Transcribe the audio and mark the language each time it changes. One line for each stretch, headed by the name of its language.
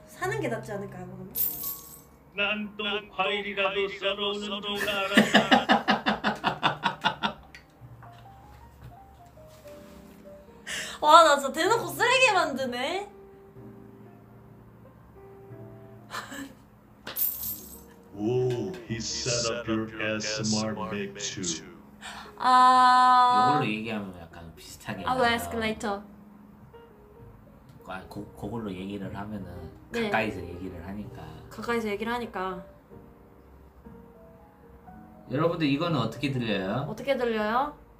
Korean: 사는 게 낫지 않을까요, 그러면? 난 또 과일이라도 썰어오는 동안 알아. 와, 나 진짜 대놓고 쓰레기 만드네.
English: 오, he set up your ASMR mic too. 아...
Korean: 이걸로 얘기하면 약간 비슷하게 아우 에스컬레이터 그걸로 얘기를 하면은 가까이서 네. 얘기를 하니까 가까이서 얘기를 하니까 여러분들 이거는 어떻게 들려요? 어떻게 들려요?